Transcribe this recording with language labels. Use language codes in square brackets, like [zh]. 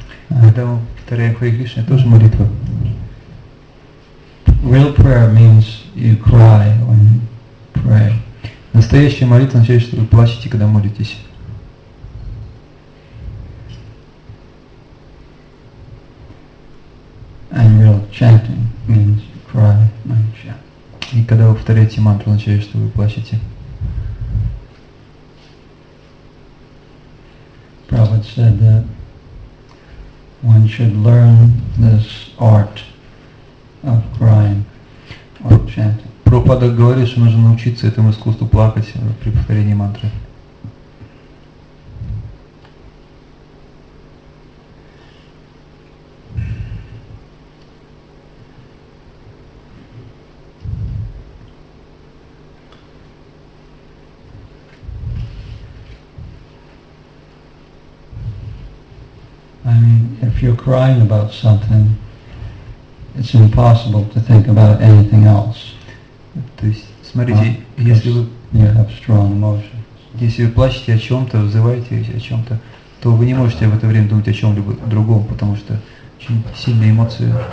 [en] Real prayer means you cry when you pray. [ru] Настоящая молитва означает, что вы плачете, когда молитесь. [en] And real chanting means you cry when you chant. [ru] И когда вы повторяете мантру, означает, что вы плачете. [en] Prabhupada said that one should learn this art of crying or chanting. [ru] Prabhupada говорит, что нужно научиться этому искусству плакать при повторении мантры. [en] If you're crying about something, it's impossible to think about anything else. [ru] То есть, смотрите, если вы [en] have strong emotions. [ru] Если вы плачете о чем-то, вызываете о чем-то, то вы не можете в это время думать о чем-либо другом, потому что очень сильные эмоции.